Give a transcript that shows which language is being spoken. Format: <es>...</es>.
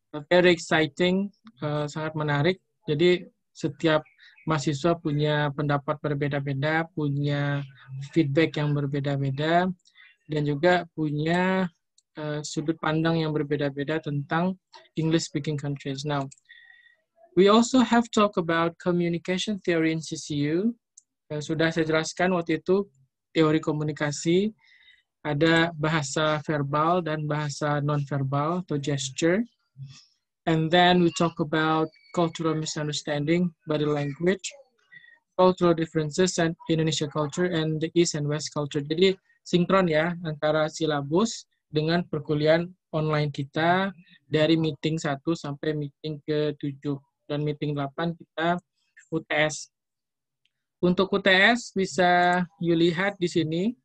<en>Very exciting,</en> <id>sangat menarik. Jadi setiap mahasiswa punya pendapat berbeda-beda, punya feedback yang berbeda-beda, dan juga punya sudut pandang yang berbeda-beda tentang English-speaking countries.</id> <en>Now, we also have talk about communication theory in CCU.</en> <id>Sudah saya jelaskan waktu itu teori komunikasi, ada bahasa verbal dan bahasa non-verbal atau gesture.</id> <en>And then we talk about cultural misunderstanding, body language, cultural differences and Indonesia culture and the East and West culture.</en> <id>Jadi sinkron ya antara silabus dengan perkuliahan online kita dari meeting 1 sampai meeting ke-7 dan meeting 8 kita UTS. Untuk UTS bisa you lihat di sini.</id>